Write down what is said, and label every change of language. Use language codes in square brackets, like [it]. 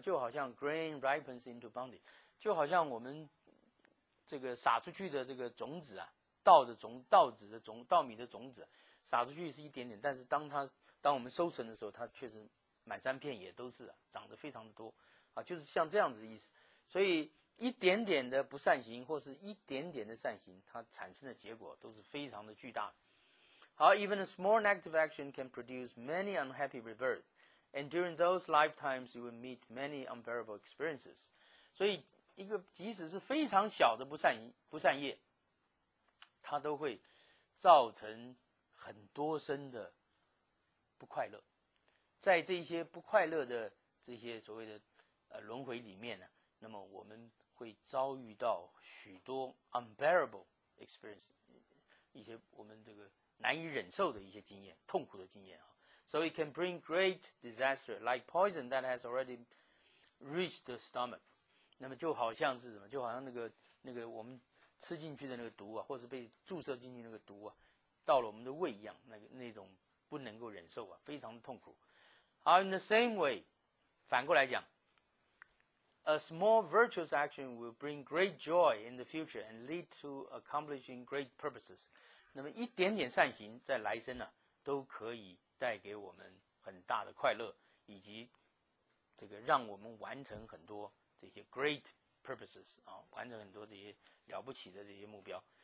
[zh] 就好像 [en] grain ripens into bounty， [zh] 就好像我们这个撒出去的这个种子啊，稻米的种子撒出去是一点点，但是当我们收成的时候，它确实满山遍野都是，长得非常的多。啊，就是像这样子的意思，所以一点点的不善行或是一点点的善行，它产生的结果都是非常的巨大的。 [en] 好 ，even a small negative action can produce many unhappy rebirths, and during those lifetimes you will meet many unbearable experiences. [zh] 所以，一个即使是非常小的不善业，它都会造成很多生的不快乐。在这些不快乐的这些所谓的轮回里面呢，那么我们会遭遇到许多 [en] unbearable experience， [zh] 一些我们这个难以忍受的一些经验，痛苦的经验。 [en] So it can bring great disaster like poison that has already reached the stomach. [zh] 那么就好像是什么，就好像那个我们吃进去的那个毒啊，或是被注射进去那个毒啊，到了我们的胃一样，那种不能够忍受啊，非常的痛苦。 [en] 好， in the same way， [zh] 反过来讲， [en] A small virtuous action will bring great joy in the future and lead to accomplishing great purposes. [zh] 那么一点点善行在来生呢，都可以带给我们很大的快乐，以及这个让我们完成很多这些 [en] great purposes [zh] 啊，完成很多这些了不起的这些目标。